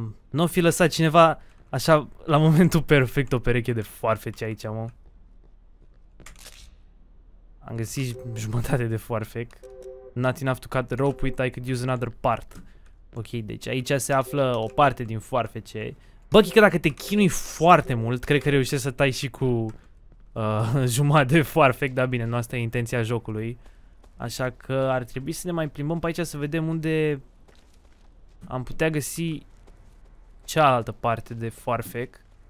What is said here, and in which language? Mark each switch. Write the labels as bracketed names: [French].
[Romanian] N-o fi lăsat cineva așa la momentul perfect o pereche de foarfeci aici, mă. Am găsit jumătate de foarfec. [English] Not enough to cut the rope with, I could use another part. [Romanian] Ok, deci aici se află o parte din foarfece. Bă, chică, dacă te chinui foarte mult, cred că reușești să tai și cu jumătate de foarfec. Dar bine, nu asta e intenția jocului. Așa că ar trebui să ne mai plimbăm pe aici să vedem unde am putea găsi cealaltă parte de foarfec.